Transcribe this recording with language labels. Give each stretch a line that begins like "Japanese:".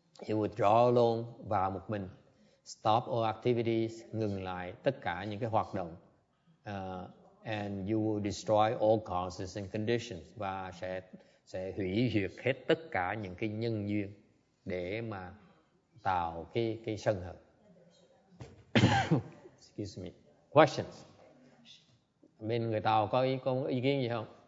English: You withdraw alone,
Vietnamese: vào một mình.
English: Stop all activities,
Vietnamese: ngừng lại tất cả những cái hoạt động.
English: And you will destroy all causes and conditions.
Vietnamese: Và sẽ hủy diệt hết tất cả những cái nhân duyên để mà tạo cái sân hận.
English: Excuse me. Questions.
Vietnamese: Bên người Tàu có ý kiến gì không?